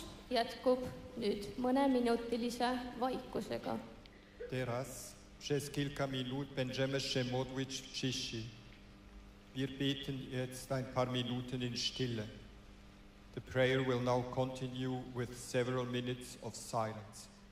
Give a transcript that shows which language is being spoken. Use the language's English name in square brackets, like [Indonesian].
[Estonian] jätkub nüüd mõneminutilise vaikusega. [Polish] Teraz przez kilka minut będziemy się modlić w ciszy. [German] Wir beten jetzt ein paar Minuten in Stille. [English] The prayer will now continue with several minutes of silence.